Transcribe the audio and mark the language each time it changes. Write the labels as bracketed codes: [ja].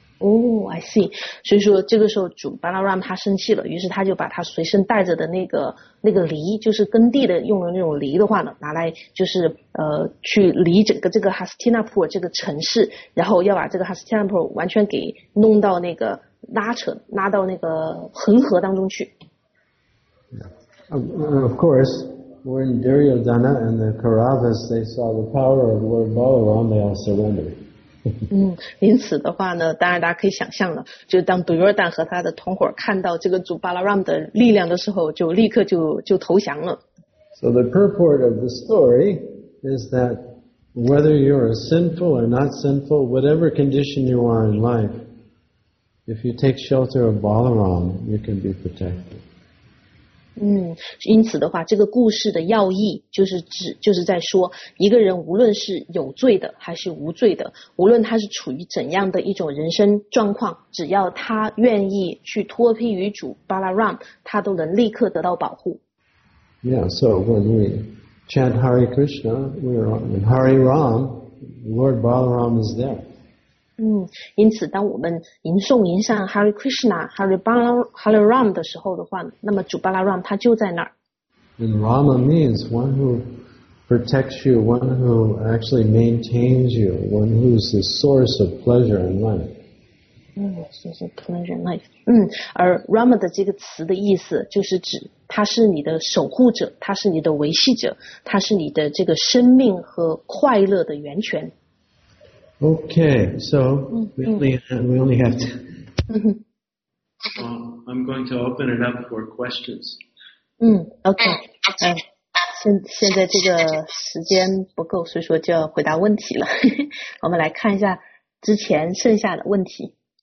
[en] Oh, I see. [zh] 所以说这个时候主 Balaram 他生气了，于是他就把他随身带着的那个犁，就是耕地的用的那种犁的话呢，拿来就是去犁整个这个 Hastinapur 这个城市，然后要把这个 Hastinapur 完全给弄到那个拉到那个恒河当中去。 [en] Of course, when Duryodhana and the Kauravas they saw the power of Lord Balaram, they all surrendered. [zh] 嗯，因此的话呢，当然大家可以想象了，就当杜约旦和他的同伙看到这个主巴拉拉姆的力量的时候，就立刻就投降了。 [en] So the purport of the story is that whether you're sinful or not sinful, whatever condition you are in life, if you take shelter of Balaram, you can be protected. [zh] 嗯，因此的话，这个故事的要义就是在说，一个人无论是有罪的还是无罪的，无论他是处于怎样的一种人生状况，只要他愿意去脱披于主巴拉让，他都能立刻得到保护。 [en] Yeah, so when we chant Hare Krishna, we are in Hare Ram, Lord Balaram is there. [zh] 嗯，因此当我们吟诵吟上 Hare Krishna Hare Hare Ram 的时候的话，那么主巴拉让他就在那儿。 [en] And Rama means one who protects you, one who actually maintains you, one who is the source of pleasure in life. [zh] 嗯，就是 [en] pleasure in life。 [zh] 嗯，而 Rama 的这个词的意思就是指他是你的守护者，他是你的维系者，他是你的这个生命和快乐的源泉。 [en] Okay, so we only have to. I'm going to open it up for questions. Okay. [zh] 现在这个时间不够，所以说就要回答问题了。我们来看一下之前剩下的问题。